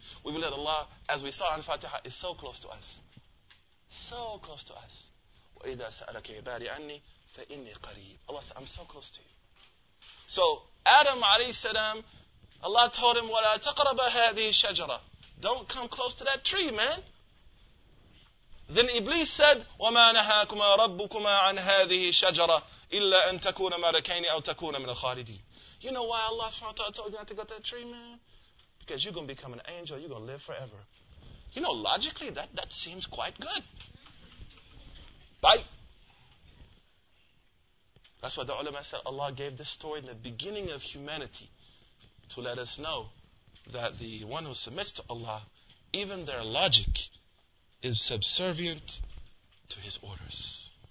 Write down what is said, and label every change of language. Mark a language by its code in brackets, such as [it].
[en] We believe that Allah, as we saw in Fatiha, is so close to us. So close to us. [ar] وَإِذَا سَأَلَكَ عِبَادِي عَنِّي فَإِنِّي قَرِيبٌ. Allah said, I'm so close to you. So, Adam, alayhi salam, Allah told him, وَلَا تَقْرَبَ هَذِهِ الشَّجَرَةِ. [en] Don't come close to that tree, man. Then Iblis said, [ar] وَمَا نَهَاكُمَا رَبُّكُمَا عَنْ هَذِهِ شَجَرَةٍ إِلَّا أَن تَكُونَ مَلَكَيْنِ أَوْ تَكُونَ مِنَ الْخَالِدِينَ. [en] You know why Allah subhanahu wa ta'ala told you not to go to that tree, man? Because you're going to become an angel. You're going to live forever. You know, logically, that seems quite good. Right? That's why the ulama said Allah gave this story in the beginning of humanity to let us know that the one who submits to Allah, even their logic is subservient to his orders.